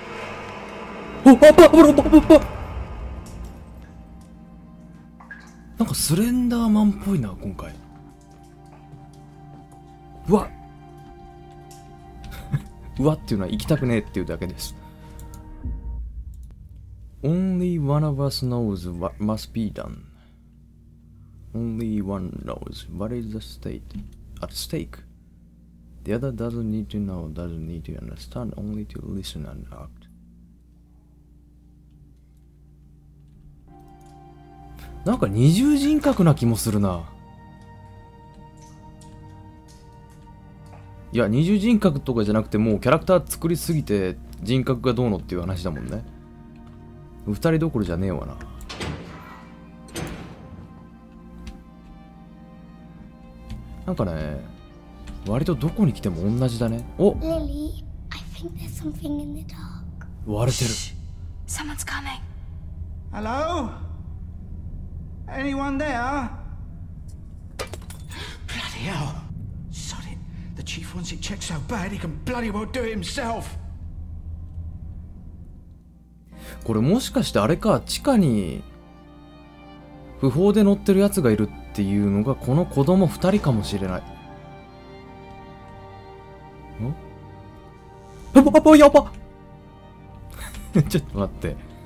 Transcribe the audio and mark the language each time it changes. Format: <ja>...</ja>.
<ja>おっ、あっ、あっ、あっ、あっ、なんかスレンダーマンっぽいな、今回。うわっうわっていうのは行きたくねえっていうだけです。</ja> <en>Only one of us knows what must be done.Only one knows what is the state at stake.The other doesn't need to know, doesn't need to understand, only to listen and act.</en> <ja>なんか二重人格な気もするな。いや、二重人格とかじゃなくて、もうキャラクター作りすぎて人格がどうのっていう話だもんね。二人どころじゃねえわな。なんかね、割とどこに来ても同じだね。お、</ja> <en>レリー、 I think there's something in the dark.</en> <ja>割れてる。</ja> <en>Someone's coming. Hello? Anyone there? Bloody hell! Sod it! The chief wants it checked so bad he can bloody well do it himself!</en> <ja>これもしかしてあれか、地下に不法で乗ってるやつがいるっていうのが、この子供2人かもしれない。ん？パパパパ、やばっちょっと待って。</ja>